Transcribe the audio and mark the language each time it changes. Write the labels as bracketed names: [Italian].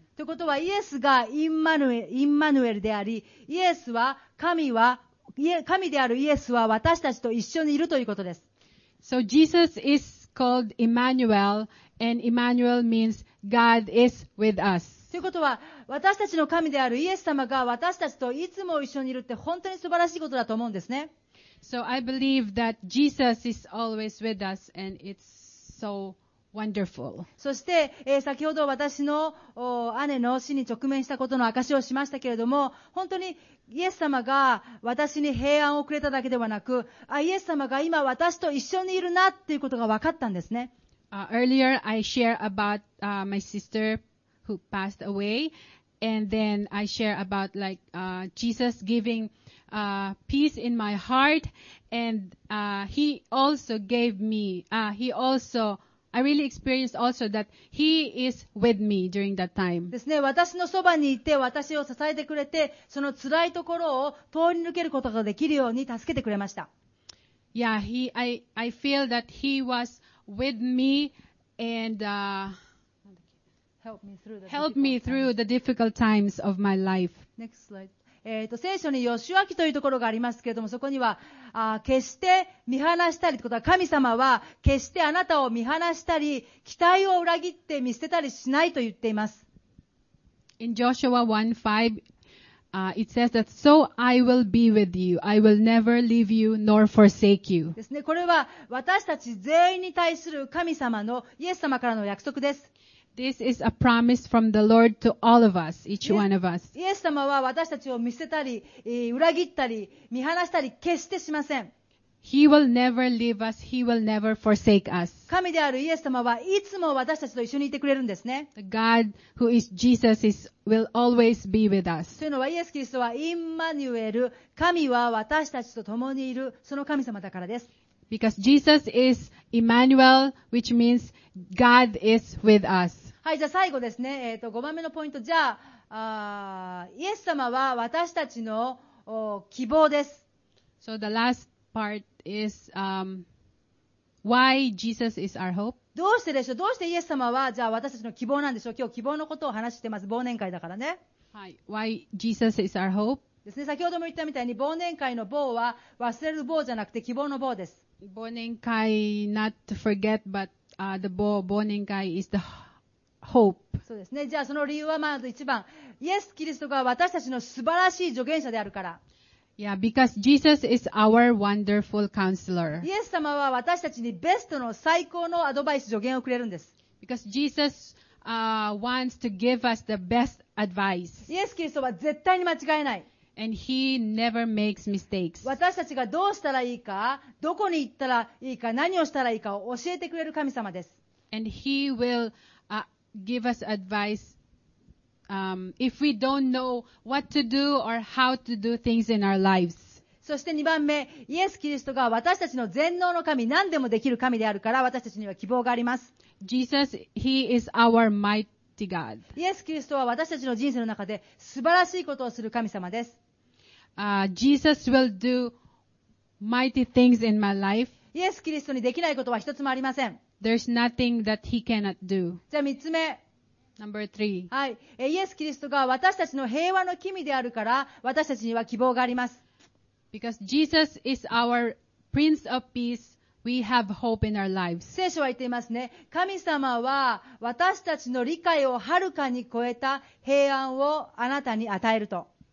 [Japanese] ということは、イエスがインマヌエルであり、イエスは神は、神であるイエスは私たちと一緒にいるということです。 [English] So Jesus is called Emmanuel, and Emmanuel means God is with us. [Japanese] ということは、私たちの神であるイエス様が私たちといつも一緒にいるって本当に素晴らしいことだと思うんですね。 [English] So I believe that Jesus is always with us and it's so wonderful. [Japanese] そして、先ほど私の姉の死に直面したことの証をしましたけれども、本当にイエス様が私に平安をくれただけではなく、イエス様が今私と一緒にいるなっていうことが分かったんですね。 [English] Earlier I shared about, my sister who passed away and then I shared about like, Jesus givingpeace in my heart, and, he also gave me, I really experienced also that he is with me during that time. [Japanese] ですね、私のそばにいて、私を支えてくれて、その辛いところを通り抜けることができるように助けてくれました。 [English] Yeah, I feel that he was with me and, help me through the difficult times of my life. Next slide. [Japanese] 聖書にヨシュア記というところがありますけれども、そこには、決して見放したりということは、神様は決してあなたを見放したり、期待を裏切って見捨てたりしないと言っています。 [English] In Joshua 1:5, it says that, So I will be with you. I will never leave you nor forsake you. [Japanese] ですね、これは私たち全員に対する神様の、イエス様からの約束です。 [English] This is a promise from the Lord to all of us, each one of us. [Japanese] イエス様は私たちを見捨てたり、裏切ったり、見放したり、決してしません。 [English] He will never leave us. He will never forsake us. [Japanese] 神であるイエス様はいつも私たちと一緒にいてくれるんですね。 [English] The God who is Jesus is, will always be with us. [Japanese] というのはイエス・キリストはインマニュエル、神は私たちと共にいる、その神様だからです。 [English] Because Jesus is Emmanuel, which means God is with us. [Japanese] はい、じゃあ最後ですね。5番目のポイント。じゃあ、イエス様は私たちの希望です。 [English] So the last part is, why Jesus is our hope? [Japanese] どうしてでしょう、どうしてイエス様はじゃあ私たちの希望なんでしょう。今日希望のことを話してます、忘年会だからね。 [English] はい、Why Jesus is our hope? [Japanese] ですね、先ほども言ったみたいに忘年会の棒は忘れる棒じゃなくて希望の棒です。 [English] 忘年会 not to forget but、the bow 忘年会 is the hope。 [Japanese] そうですね、じゃあその理由はまず一番、イエス・キリストが私たちの素晴らしい助言者であるから。 [English] Yeah, because Jesus is our wonderful counselor. [Japanese] イエス様は私たちにベストの最高のアドバイス、助言をくれるんです。 [English] Because Jesus, wants to give us the best advice. [Japanese] イエス・キリストは絶対に間違えない。 [English] And he never makes mistakes. [Japanese] 私たちがどうしたらいいか、どこに行ったらいいか、何をしたらいいかを教えてくれる神様です。 [English] And he will, give us advice. If we don't know what to do or how to do things in our lives. [Japanese] そして2番目、イエス・キリストが私たちの全能の神、何でもできる神であるから私たちには希望があります。 [English] Jesus, He is our mighty God. [Japanese] イエス・キリストは私たちの人生の中で素晴らしいことをする神様です。 [English] Jesus will do mighty things in my life. [Japanese] イエス・キリストにできないことは一つもありません。 [English] There's nothing that He cannot do. [Japanese] じゃあ3つ目。 [English] Number three. [Japanese] はい、イエス・キリストが私たちの平和の君であるから私たちには希望があります。 [English] Because Jesus is our Prince of Peace, we have hope in our lives. [Japanese] 聖書は言っていますね、神様は私たちの理解をはるかに超えた平安をあなたに与えると。